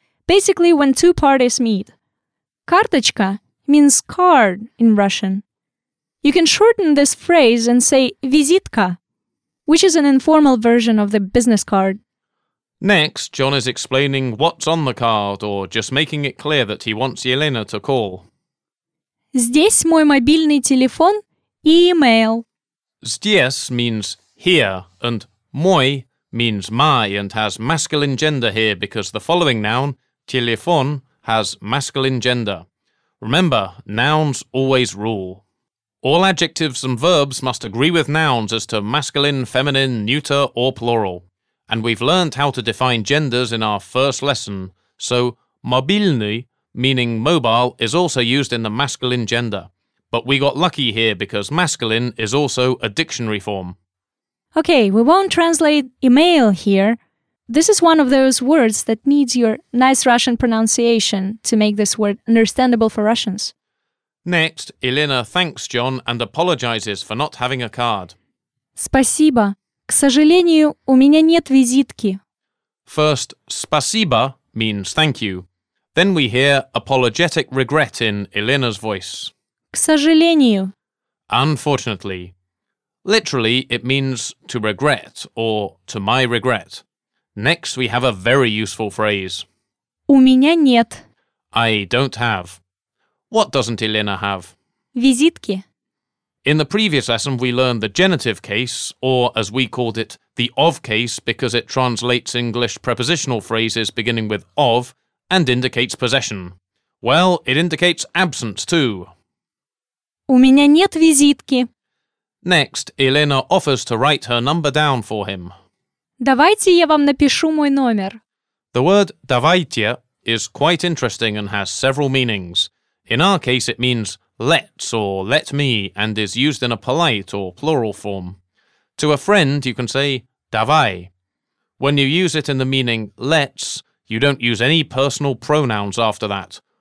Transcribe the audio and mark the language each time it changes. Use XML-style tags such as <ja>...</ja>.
<en>Basically, when two parties meet. Карточка means card in Russian. You can shorten this phrase and say визитка, which is an informal version of the business card. Next, John is explaining what's on the card or just making it clear that he wants Елена to call.</en> <ru>Здесь мой мобильный телефон и email.</ru> <en>Здесь means here and мой means my and has masculine gender here because the following noun, телефон, has masculine gender. Remember, nouns always rule. All adjectives and verbs must agree with nouns as to masculine, feminine, neuter, or plural. And we've learned how to define genders in our first lesson, so мобильный, meaning mobile, is also used in the masculine gender. But we got lucky here because masculine is also a dictionary form. Okay, we won't translate email here. This is one of those words that needs your nice Russian pronunciation to make this word understandable for Russians. Next, Елена thanks John and apologizes for not having a card.</en> <ru>Спасибо. К сожалению, у меня нет визитки.</ru> <en>First, спасибо means thank you. Then we hear apologetic regret in Елена's voice.</en> <ru>К сожалению.</ru> <en>Unfortunately. Literally, it means to regret or to my regret. Next, we have a very useful phrase.</en> <ru>У меня нет.</ru> <en>I don't have. What doesn't Елена have?</en> <ru>Визитки.</ru> <en>In the previous lesson, we learned the genitive case, or as we called it, the of case, because it translates English prepositional phrases beginning with of and indicates possession. Well, it indicates absence, too.</en> <ru>У меня нет визитки.</ru> <en>Next, Elena offers to write her number down for him.</en> <ru>Давайте я вам напишу мой номер.</ru> <en>The word «давайте» is quite interesting and has several meanings. In our case, it means «let's» or «let me» and is used in a polite or plural form. To a friend, you can say «давай». When you use it in the meaning «let's», you don't use any personal pronouns after that.</en>